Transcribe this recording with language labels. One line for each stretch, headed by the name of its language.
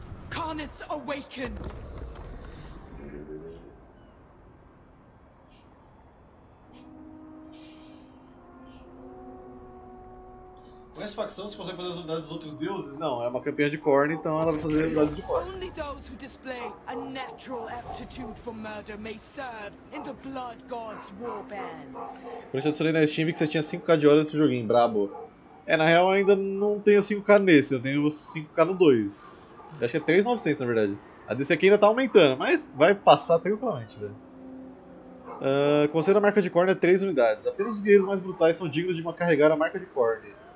English: Karnith Awakened.
Portuguese: Com essa facção você consegue fazer as unidades dos outros deuses? Não, é uma campeã de Khorne, então ela vai fazer as unidades de Khorne.
English: Only those who display a natural aptitude for murder may serve in the Blood God's warbands.
Portuguese: Por isso eu adicionei na Steam que você tinha 5k de horas nesse joguinho, brabo. É, na real eu ainda não tenho 5k nesse, eu tenho 5k no 2. Eu acho que é 3.900 na verdade. A desse aqui ainda tá aumentando, mas vai passar tranquilamente, velho. Conselho da Marca de Khorne é 3 unidades. Apenas os guerreiros mais brutais são dignos de uma carregar a Marca de Khorne.